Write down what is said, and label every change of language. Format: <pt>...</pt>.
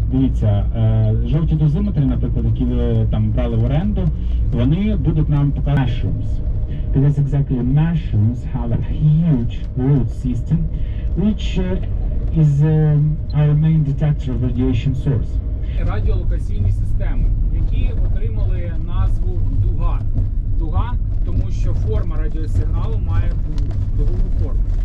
<uk>Дивіться, жовті дозиметри, наприклад, які ви там брали в оренду, вони будуть нам показувати.</uk> <en>Because exactly mushrooms have a huge root system, which is our main detector of radiation source.</en> <uk>Радіолокаційні системи, які отримали назву дуга. Дуга, тому що форма радіосигналу має дугову форму.</uk>